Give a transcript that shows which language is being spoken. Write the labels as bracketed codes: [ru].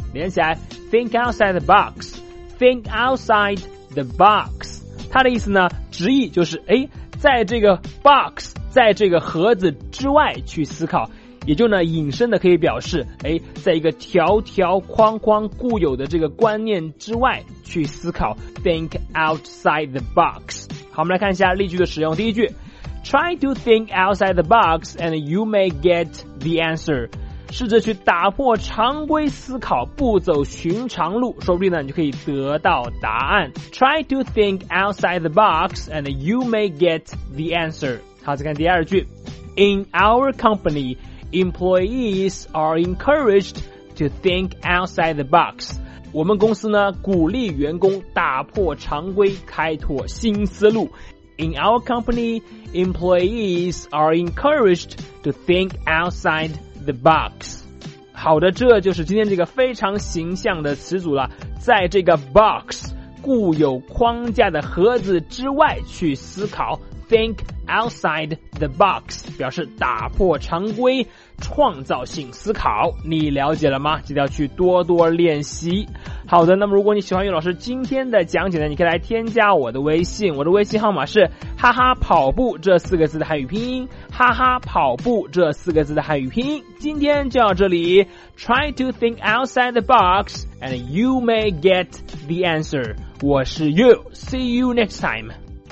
[en] 连起来，Think outside the box。 Think outside the box。 [zh] 它的意思呢，直译就是诶，在这个 box， 在这个盒子之外去思考，也就呢引申的可以表示诶，在一个条条框框固有的这个观念之外去思考， think outside the box。 [en] 好，我们来看一下例句的使用。第一句， try to think outside the box and you may get the answer。 [zh] 试着去打破常规思考，不走寻常路，说不定呢你就可以得到答案。 [en] Try to think outside the box and you may get the answer。好，再看第二句， In our company, employees are encouraged to think outside the box。 [zh] 我们公司呢鼓励员工打破常规，开拓新思路。 [en] In our company, employees are encouraged to think outside the box。 [zh] 好的，这就是今天这个非常形象的词组了，在这个 box 固有框架的盒子之外去思考， think outside the box，表示打破常规，创造性思考。你了解了吗？记得要去多多练习。好的，那么如果你喜欢于老师今天的讲解呢，你可以来添加我的微信，我的微信号码是哈哈跑步这四个字的汉语拼音，哈哈跑步这四个字的汉语拼音。 [en] 今天就到这里， try to think outside the box and you may get the answer。我是 you， see you next time。